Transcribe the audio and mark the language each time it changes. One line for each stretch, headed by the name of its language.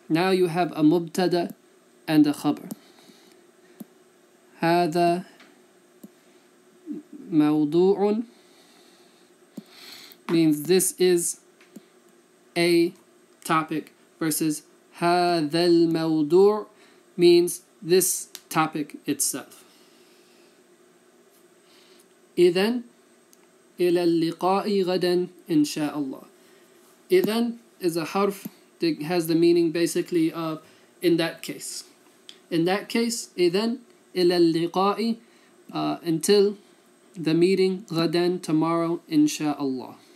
English: Now you have a مبتدا and a خبر.
Arabic: هذا موضوع
English: means this is a topic, versus
Arabic: هذا الموضوع
English: means this topic itself.
Arabic: إذن إلى اللقاء غدا إن شاء الله.
English: إذن is a harf that has the meaning basically of in that case. In that case,
Arabic: إذن إلى اللقاء,
English: until the meeting,
Arabic: غدًا,
English: tomorrow, inshallah.